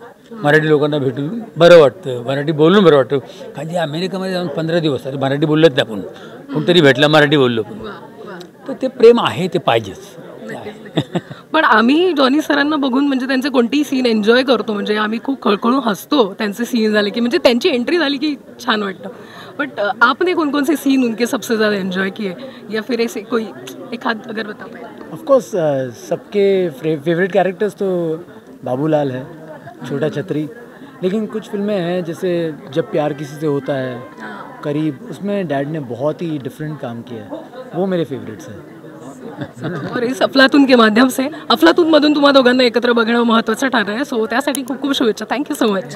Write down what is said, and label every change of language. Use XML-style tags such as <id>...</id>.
<mr>मराठी लोकांना भेटून बरं वाटतं, मराठी बोलून बरं वाटतं. कारण जे अमेरिकेमध्ये जाऊन 15 दिवस आले मराठी बोललंच नाही आपण, कोणतरी भेटला मराठी बोललो पण. तर ते प्रेम आहे, ते पाहिजेच. पण आम्ही जॉनी सरांना बघून म्हणजे त्यांचे कोणतेही सीन एन्जॉय करतो, म्हणजे आम्ही खूप खळखळून हसतो त्यांचे सीन झाले की, म्हणजे त्यांची एंट्री झाली की छान वाटतं.</mr> <hi>बट आपने कोण कोणसे सीन उनके सबसे ज्यादा एन्जॉय किए, या फिर ऐसे कोई एखाद अगर बता पाए? ऑफकोर्स सबके फेवरेट कैरेक्टर्स तो बाबूलाल है, छोटा छतरी. लेकिन कुछ फिल्में हैं जैसे जब प्यार किसी से होता है, करीब, उसमें डैड ने बहुत ही डिफरेंट काम किया है, वो मेरे फेवरेट्स हैं.</hi> <mr>और इस अफलातून के माध्यम से, अफलातून मधून तुम्हा दोघांना एकत्र बघणं महत्त्वाचं ठरलं आहे, सो त्यासाठी खूप खूप शुभेच्छा.</mr> <en>Thank you so much.</en>